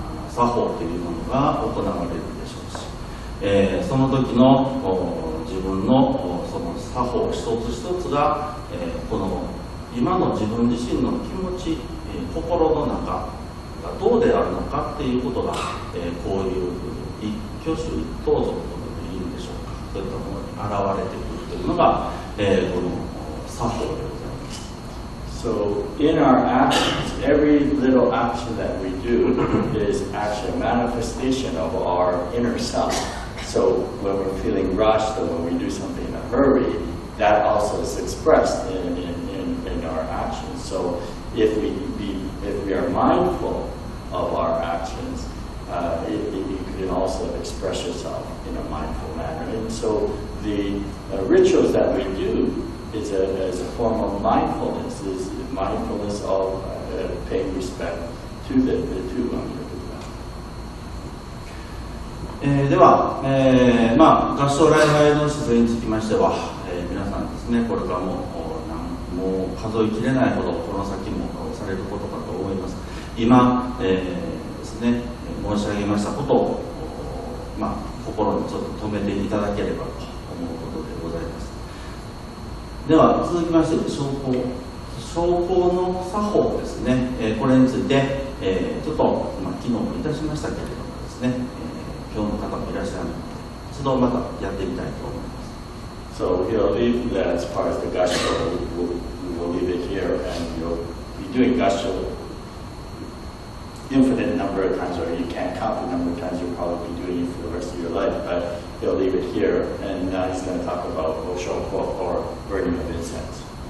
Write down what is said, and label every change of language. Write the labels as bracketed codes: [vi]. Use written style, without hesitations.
[ja] 作法というものが行われるでしょうし、その時の自分のその作法一つ一つが、この今の自分自身の気持ち、心の中がどうであるのかっていうことが、こういう一挙手一投足ということでいいんでしょうか、そういったものに現れてくるというのが、この作法でございます。 [en] So in our actions, every little action that we do is actually a manifestation of our inner selfSo when we're feeling rushed or when we do something in a hurry, that also is expressed in our actions. So if we are mindful of our actions, you can also express yourself in a mindful manner. And so the rituals that we do is a form of mindfulness, is mindfulness of paying respect to the two members. [ja] では、まあ、合唱礼拝の姿勢につきましては、皆さんですね、これからもう数えきれないほどこの先もされることかと思います。今、ですね、申し上げましたことを、まあ、心にちょっと留めていただければと思うことでございます。では続きまして商工、商工の作法ですね、これについて、ちょっと、まあ、昨日もいたしましたけれどもですね、今日の方もいらっしゃるので一度またやってみたいと思います。 [en] So we'll leave that part of the gusho. We'll leave it here and you'll be doing gusho infinite number of times, or you can't count the number of times you'll probably be doing it for the rest of your life, but he'll leave it here, and now he's going to talk about Oshoko or burning of incense.